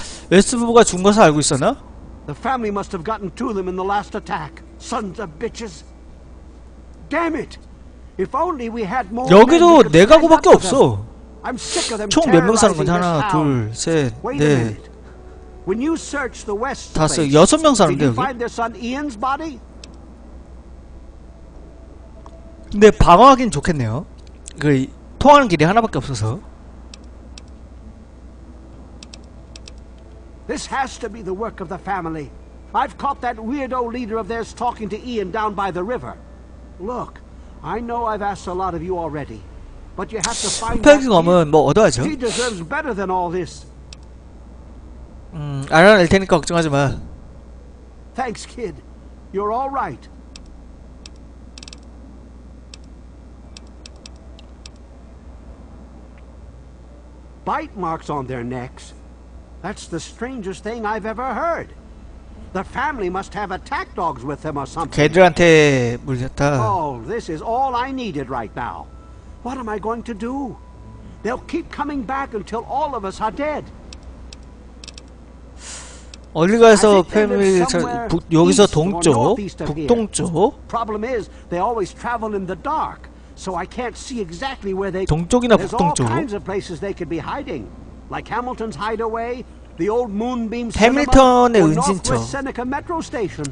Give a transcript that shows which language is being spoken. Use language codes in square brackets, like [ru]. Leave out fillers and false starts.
[ko] 웨스트 부부가 죽은 것을 알고 있었나? [en] The family must have gotten to them in the last attack. Sons of bitches. Damn it. If only we had more. [ko] 여기도 네 가구밖에 없어. 총 몇 명 사는 건지 하나, 둘, 셋, 넷. [en] When you search the west. [ko] 다섯, 여섯 명 사는데 여기. [en] Did you find their son Ian's body? [ko] 근데 방어하긴 좋겠네요. 그 통하는 길이 하나밖에 없어서. [en] This has to be the work of the family. I've caught that weirdo leader of theirs talking to Ian down by the river. Look, I know I've asked a lot of you already, but you have to find. [ko] 펠킹엄은 뭐 얻어야죠. [en] He deserves better than all this. [ko] 알아낼 테니까 걱정하지 마. [en] Thanks, kid. You're all right. 바이트 마크 온 their necks. That's the strangest thing I've ever heard. The family must have attack dogs with them or something. [ko] 걔들한테 물렸다. [en] Oh, this is all I needed right now. What am I going to do? They'll keep coming back until all of us are dead. [ko] 어디 가서 패밀리 여기서 동쪽, 북동쪽. [en] Problem is, they always travel in the dark. So I can't see exactly where they. [ko] 동쪽이나 북동쪽. [en] There's all kinds of places they could be hiding, like Hamilton's hideaway, the old Moonbeam. [ko] 해밀턴의 은신처. [en] North West Seneca Metro Station.